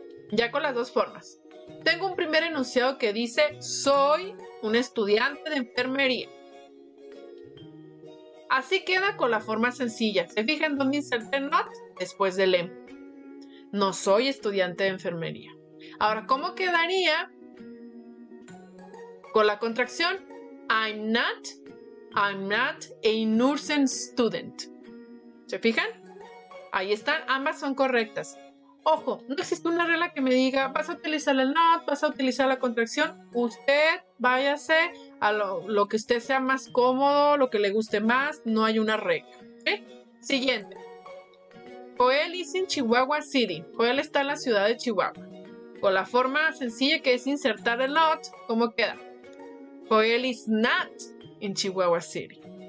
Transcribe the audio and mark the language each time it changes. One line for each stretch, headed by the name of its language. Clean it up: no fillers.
Spanish: Ya con las dos formas. Tengo un primer enunciado que dice, soy un estudiante de enfermería. Así queda con la forma sencilla. ¿Se fijan dónde inserté not? Después del em. No soy estudiante de enfermería. Ahora, ¿cómo quedaría con la contracción?
English: I'm not a nursing student.
Spanish: ¿Se fijan? Ahí están, ambas son correctas. Ojo, no existe una regla que me diga, vas a utilizar el not, vas a utilizar la contracción. Usted váyase a lo que usted sea más cómodo, lo que le guste más, no hay una regla. ¿Sí? Siguiente.
English: Joel is in Chihuahua City.
Spanish: Joel está en la ciudad de Chihuahua. Con la forma sencilla que es insertar el not, ¿cómo queda?
English: Joel is not in Chihuahua City.